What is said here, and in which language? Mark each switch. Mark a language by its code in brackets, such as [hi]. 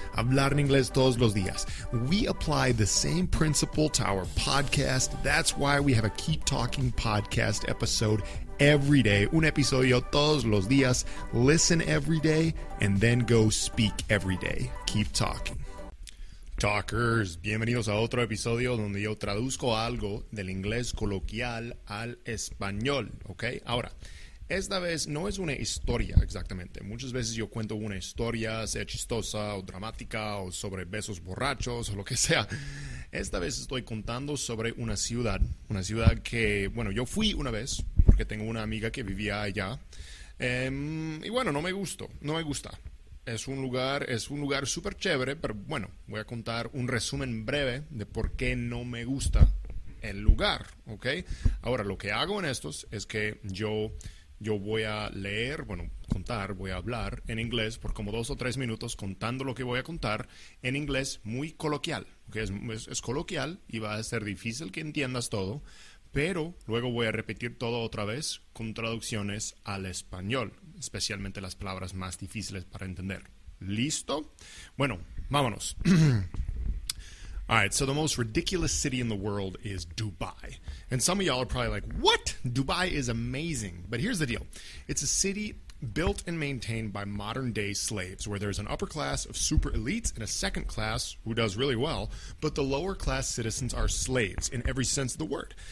[es] Hablar en inglés todos los días. [en] We apply the same principle to our podcast. That's why we have a Keep Talking Podcast episode every day. [es] Un episodio todos los días. [en] Listen every day and then go speak every day. Keep talking. [es] Talkers, bienvenidos a otro episodio donde yo traduzco algo del inglés coloquial al español, ¿ok? Ahora, esta vez no es una historia exactamente. Muchas veces yo cuento una historia, sea chistosa o dramática o sobre besos borrachos o lo que sea. Esta vez estoy contando sobre una ciudad que, bueno, yo fui una vez porque tengo una amiga que vivía allá. Y bueno, no me gusta. Es un lugar súper chévere, pero bueno, voy a contar un resumen breve de por qué no me gusta el lugar, ¿ok? Ahora, lo que hago en estos es que yo voy a leer, bueno, contar, voy a hablar en inglés por como 2 o 3 minutos contando lo que voy a contar en inglés muy coloquial, ¿ok? Es coloquial y va a ser difícil que entiendas todo, pero luego voy a repetir todo otra vez con traducciones al español, especialmente las palabras más difíciles para entender. ¿Listo? Bueno, vámonos. [en] All right, so the most ridiculous city in the world is Dubai. And some of y'all are probably like, what? Dubai is amazing. But here's the deal. It's a city built and maintained by modern-day slaves, where there's an upper class of super elites and a second class who does really well, but the lower-class citizens are slaves in every sense of the word.